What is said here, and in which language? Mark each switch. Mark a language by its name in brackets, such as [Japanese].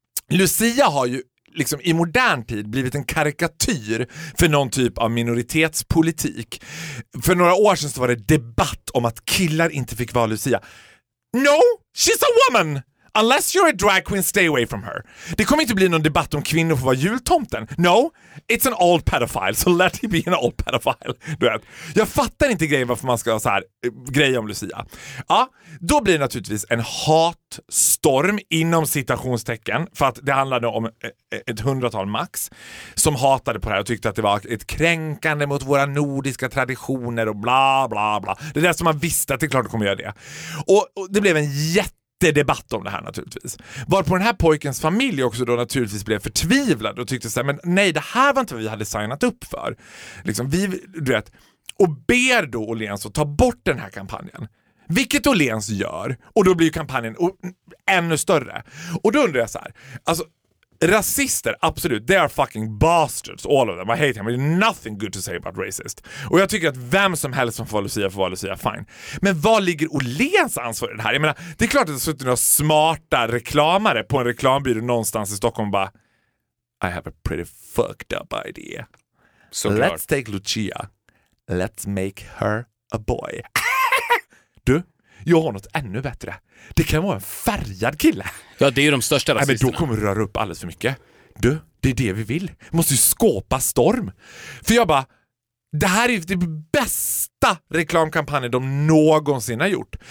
[Swedish] Lucia har ju liksom i modern tid blivit en karikatyr för någon typ av minoritetspolitik. För några år sedan så var det debatt om att killar inte fick vara Lucia. [English] No, she's a woman! Unless you're a drag queen, stay away from her. [Swedish] Det kommer inte bli någon debatt om kvinnor får vara jultomten. [English] No, it's an old pedophile, so let him be an old pedophile. [Swedish] Du vet. Jag fattar inte grejen varför man ska ha så här grej om Lucia. Ja, då blir det naturligtvis en hatstorm inom citationstecken, för att det handlade om ett hundratal max som hatade på det här och tyckte att det var ett kränkande mot våra nordiska traditioner och bla bla bla. Det är det som man visste att det klart kommer göra det. Och det blev en det är debatt om det här naturligtvis. Varpå den här pojkens familj också då naturligtvis blev förtvivlad och tyckte såhär, men nej, det här var inte vad vi hade signat upp för. Liksom, vi, du vet, och ber då Åhléns att ta bort den här kampanjen. Vilket Åhléns gör, och då blir ju kampanjen ännu större. Och då undrar jag så här, alltså, rasister, absolut, [English] they are fucking bastards, all of them. I hate him, there's nothing good to say about racist. [Swedish] Och jag tycker att vem som helst som får Lucia får vara Lucia, fine. Men var ligger Åhléns ansvar i det här? Jag menar, det är klart att det har suttit några smarta reklamare på en reklambyrå någonstans i Stockholm och bara, [English] I have a pretty fucked up idea. [Swedish] Så [English] let's [Swedish] klart. [English] Take Lucia, let's make her a boy. [Swedish] Du, jag har något ännu bättre. Det kan vara en färgad kille. Ja, det är ju de största rasisterna. Nej, men då kommer du röra upp alldeles för mycket. Du, det är det vi vill. Vi måste ju skapa storm. För jag bara, det här är ju det bästa reklamkampanjen de någonsin har gjort.